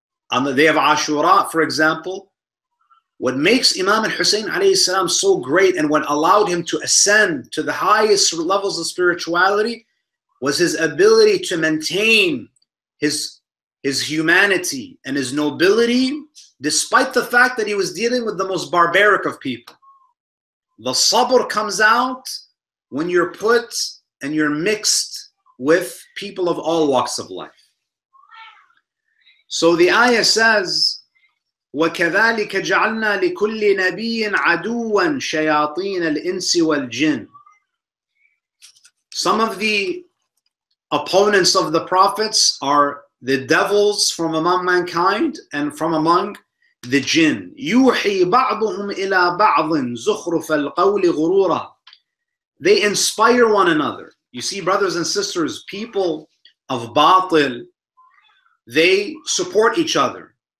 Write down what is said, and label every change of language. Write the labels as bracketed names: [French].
[English] On the day of Ashura, for example, what makes Imam al-Husayn alayhi salam so great and what allowed him to ascend to the highest levels of spirituality was his ability to maintain his humanity and his nobility despite the fact that he was dealing with the most barbaric of people. The sabr comes out when you're put and you're mixed with people of all walks of life. So the ayah says, [Arabic] وَكَذَلِكَ جَعَلْنَا لِكُلِّ نَبِيٍّ عَدُوًا شَيَاطِينَ الْإِنسِ وَالْجِنِ. [English] Some of the opponents of the prophets are the devils from among mankind and from among the jinn. [Arabic] يُوحِي بَعْضُهُمْ إِلَى بَعْضٍ زُخْرُفَ الْقَوْلِ غُرُورًا. [English] They inspire one another. You see, brothers and sisters, people of batil, they support each other.